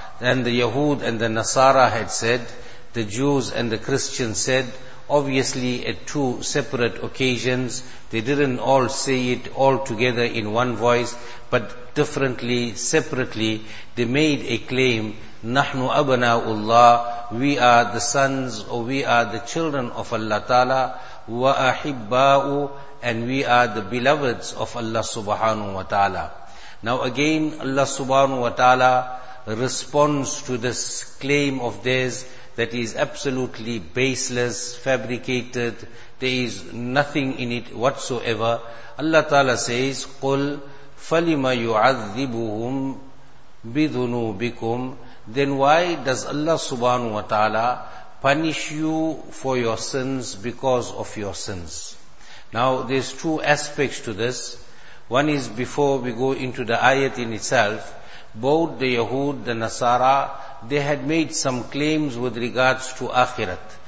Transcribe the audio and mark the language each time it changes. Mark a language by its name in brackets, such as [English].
[English] And the Yahud and the Nasara had said, the Jews and the Christians said, obviously at two separate occasions, they didn't all say it all together in one voice, but differently, separately, they made a claim, [Arabic] نَحْنُ أَبْنَاءُ اللَّهِ. [English] We are the sons, or we are the children of Allah Ta'ala, وَأَحِبَّاءُ, and we are the beloveds of Allah subhanahu wa ta'ala. Now again, Allah subhanahu wa ta'ala responds to this claim of theirs that is absolutely baseless, fabricated, there is nothing in it whatsoever. Allah Ta'ala says, [Arabic] قُلْ فَلِمَ يُعَذِّبُهُمْ بِذُنُوبِكُمْ. [English] Then why does Allah subhanahu wa ta'ala punish you for your sins because of your sins? Now there's two aspects to this. One is, before we go into the ayat in itself, both the Yahud, the Nasara, they had made some claims with regards to Akhirat.